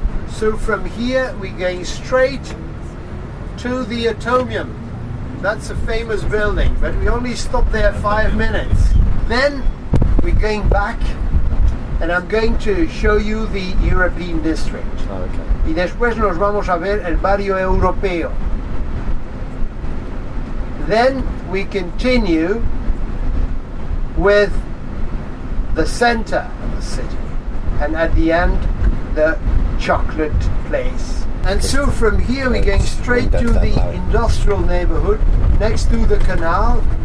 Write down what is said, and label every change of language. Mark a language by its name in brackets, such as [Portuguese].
[English] So from here, we're going straight to the Atomium. That's a famous building, but we only stop there 5 minutes. Then we're going back, and I'm going to show you the European district. Okay. [Spanish] Y después nos vamos a ver el barrio europeo. [English] Then we continue with the center of the city, and at the end, the chocolate place. And so from here we're going straight to the industrial neighborhood next to the canal.